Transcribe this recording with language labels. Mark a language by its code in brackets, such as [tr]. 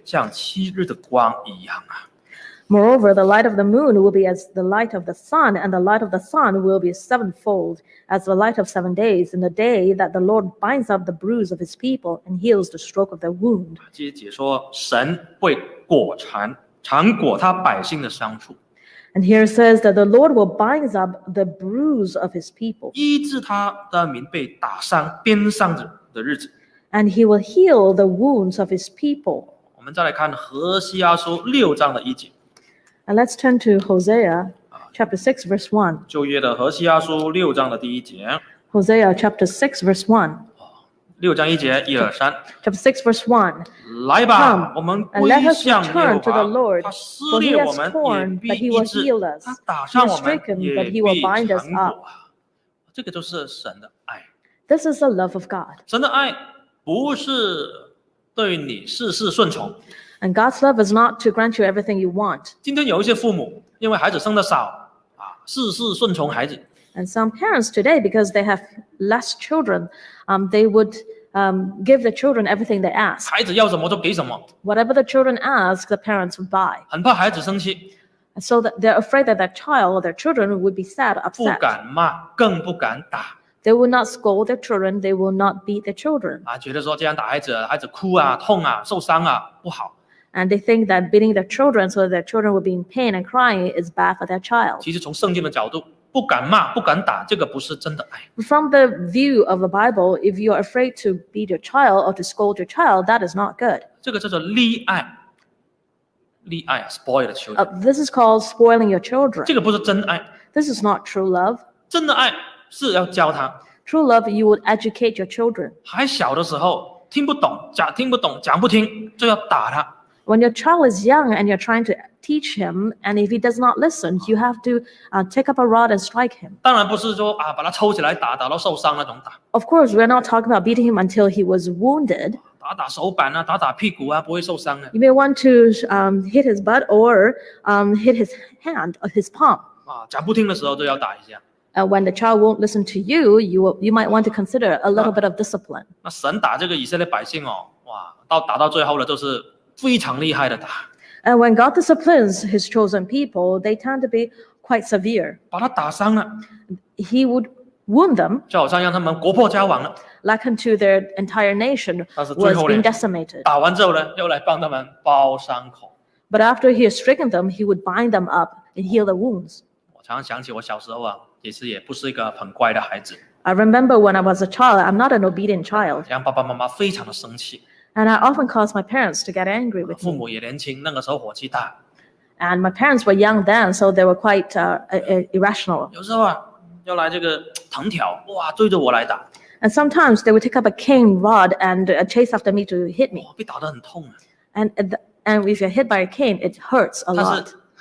[zh] 当神果尝果他百姓的损处，医治他的民鞭上的日子，月光必像日光，日光必加七倍，像七日的光一样啊。 [en] Moreover, the light of the moon will be as the light of the sun, and the light of the sun will be sevenfold, as the light of 7 days, in the day that the Lord binds up the bruise of his people and heals the stroke of their wound. [zh] 接着解说神会果尝果他百姓的伤处。 [en] And here it says that the Lord will bind up the bruise of his people. [zh] 医治他的民被打伤鞭伤的日子。 [en] And he will heal the wounds of his people. [zh] 我们再来看何西阿书6章的1节。 [en] And let's turn to Hosea chapter 6 verse 1. [zh] 旧约的何西阿书6章的1节。 [en] Hosea chapter 6 verse 1. [zh] 6章1节，1、2、3。 [en] Chapter 6 verse 1. [zh] 来吧，我们归向耶和华。 [en] To the Lord, for he has torn, but he will heal us. He has stricken, but he will bind us up. [zh] 这个就是神的爱。 [en] This is the love of God. [zh] 神的爱不是对你事事顺从。 [en] And God's love is not to grant you everything you want. [zh] 今天有一些父母因为孩子生的少，事事顺从孩子。 [en] And some parents today, because they have less children, they would give the children everything they ask. [zh] 孩子要什么就给什么。 [en] Whatever the children ask, the parents would buy. [zh] 很怕孩子生气。 [en] And so they're afraid that their child or their children would be sad, upset. [zh] 不敢骂，更不敢打。 [en] They will not scold their children. They will not beat their children. [zh] 觉得说这样打孩子，孩子哭啊，痛啊，受伤啊，不好。 [en] And they think that beating their children so that their children will be in pain and crying is bad for their child. [zh] 其实从圣经的角度，不敢骂、不敢打，这个不是真的爱。 [en] From the view of the Bible, if you are afraid to beat your child or to scold your child, that is not good. [zh] 这个叫做溺爱，溺爱 [en] spoil the children. This is called spoiling your children. [zh] 这个不是真爱。 [en] This is not true love. [zh] 真的爱是要教他。 [en] True love, you would educate your children. [zh] 还小的时候，听不懂，讲不听，就要打他。 [en] When your child is young and you're trying to teach him, and if he does not listen, you have to take up a rod and strike him. [zh] 当然不是说把他抽起来打，打到受伤那种打。 [en] Of course, we're not talking about beating him until he was wounded. [zh] 打打手板啊，打打屁股啊，不会受伤的。 [en] You may want to hit his butt or hit his hand or his palm. [zh] 讲不听的时候都要打一下。 [en] When the child won't listen to you, you might want to consider a little bit of discipline. [zh] 那神打这个以色列百姓哦，哇，到打到最后了，就是。非常厉害的打。 [en] And when God disciplines His chosen people, they tend to be quite severe. [zh] 把他打伤了。 [en] He would wound them. [zh] 就好像让他们国破家亡了。 [en] Like unto their entire nation was being decimated. [zh] 打完之后呢，又来帮他们包伤口。 [en] But after He has stricken them, He would bind them up and heal the wounds. [zh] 我常常想起我小时候啊，也是不是一个很乖的孩子。 [en] I remember when I was a child, I'm not an obedient child. [zh] 让爸爸妈妈非常的生气。 [en] And I often caused my parents to get angry with me. [zh] 父母也年轻，那个时候火气大。 [en] And my parents were young then, so they were quite irrational. [zh] 有时候啊，要来这个藤条，哇，追着我来打。 [en] And sometimes they would take up a cane rod and chase after me to hit me. [zh] 被打得很痛啊。 [en] And if you're hit by a cane, it hurts a lot.